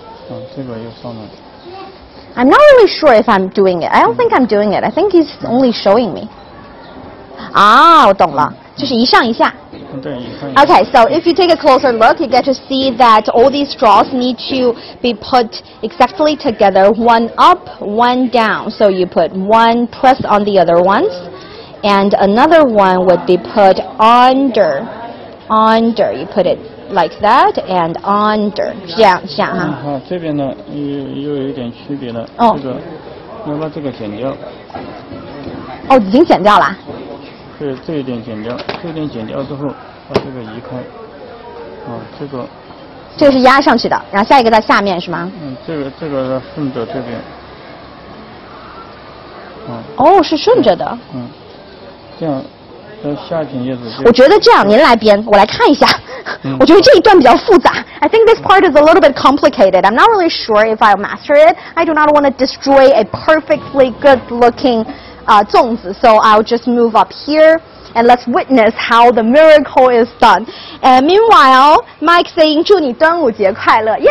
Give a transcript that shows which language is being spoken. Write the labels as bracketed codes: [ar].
[en] I'm not really sure if I'm doing it. I don't think I'm doing it. I think he's only showing me. [zh] 啊，我懂了，就是一上一下。 [en] Okay, so if you take a closer look, you get to see that all these straws need to be put exactly together, one up, one down. So you put one press on the other ones, and another one would be put under, under. You put it like that, and under. [zh] 这样，这样哈。嗯，好，这边呢，又有一点区别了。哦。这个，要把这个剪掉。哦，已经剪掉了。对，这一点剪掉，这一点剪掉之后，把这个移开。啊，这个。这个是压上去的，然后下一个在下面是吗？嗯，这个是顺着这边。哦，是顺着的。嗯。这样，那下一片叶子。我觉得这样，您来编，我来看一下。嗯、我觉得这一段比较复杂。 [en] I think this part is a little bit complicated. I'm not really sure if I'll master it. I do not want to destroy a perfectly good-looking. Zongzi. So I'll just move up here and let's witness how the miracle is done. And meanwhile, Mike saying, [zh] 祝你端午节快乐.